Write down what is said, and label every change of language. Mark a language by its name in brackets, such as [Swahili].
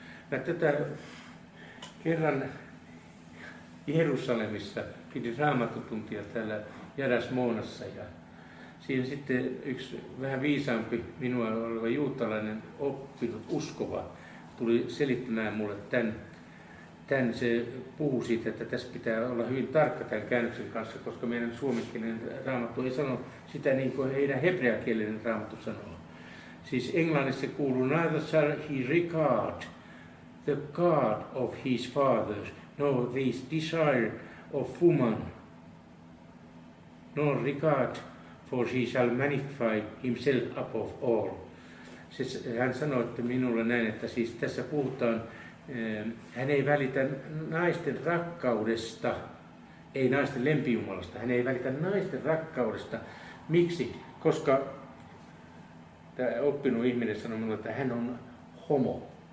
[Finnish] Mä tätä kerran Jerusalemissa pidin raamattotuntia täällä Jadasmoonassa, ja siinä sitten yksi vähän viisaampi minua oleva juutalainen oppinut uskova tuli selittämään mulle tämän. Se puhui siitä, että tässä pitää olla hyvin tarkka tämän käännöksen kanssa, koska meidän suomenkielinen raamattu ei sano sitä niin kuin heidän hebreakielinen raamattu sanoo. [English] Siis englannissa kuuluu, neither shall he regard the God of his fathers, nor this desire of woman, nor regard for he shall magnify himself above all. [Finnish] Siis hän sanoi, että minulle näin, että siis tässä puhutaan, hän ei välitä naisten rakkaudesta, ei naisten lempijumalasta, hän ei välitä naisten rakkaudesta. Miksi? Koska tämä oppinut ihminen sanoi minulle, että hän on homo.